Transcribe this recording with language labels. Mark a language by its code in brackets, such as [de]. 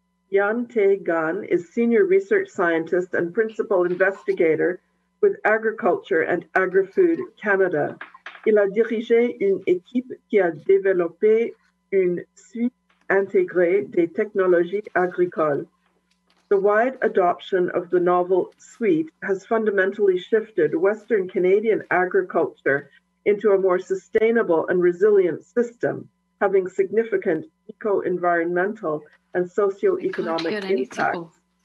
[en] Yan Tae Gan is senior research scientist and principal investigator with Agriculture and Agri-Food Canada. [fr] Il a dirigé une équipe qui a développé une suite intégrée des technologies agricoles. [en] The wide adoption of the novel suite has fundamentally shifted Western Canadian agriculture into a more sustainable and resilient system, having significant eco-environmental and socio-economic impact.